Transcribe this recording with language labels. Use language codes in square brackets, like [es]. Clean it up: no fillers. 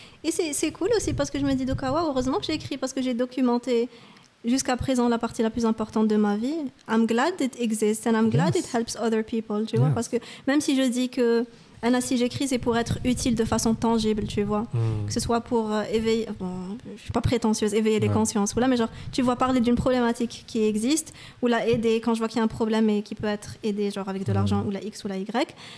[fr] Et c'est cool aussi, parce que je me dis, Dokawa, heureusement que j'ai écrit, parce que j'ai documenté, jusqu'à présent, la partie la plus importante de ma vie. [en] I'm glad it exists, and I'm glad it helps other people, tu vois. [fr] Parce que, même si je dis que, Anna, si j'écris, c'est pour être utile de façon tangible, tu vois. Que ce soit pour éveiller... Bon, je ne suis pas prétentieuse, éveiller les consciences. Oula, mais genre, tu vois, parler d'une problématique qui existe, ou la aider quand je vois qu'il y a un problème et qui peut être aidé, genre avec de l'argent, ou la X ou la Y.